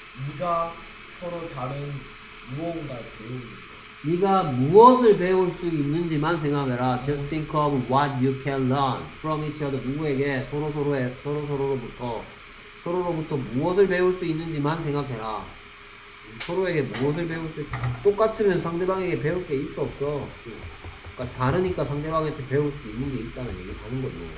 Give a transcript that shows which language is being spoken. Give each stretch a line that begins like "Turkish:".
Korean: 네가 서로 다른 무언가를 배우는 거야. 네가 무엇을 배울 수 있는지만 생각해라.
English: Just think of what you can learn from each other.
Korean: 누구에게 서로서로부터 서로로부터 무엇을 배울 수 있는지만 생각해라. 서로에게 무엇을 배울 수 똑같으면 상대방에게 배울 게 있어 없어? 그러니까 다르니까 상대방한테 배울 수 있는 게 있다는 얘기를 하는 거죠.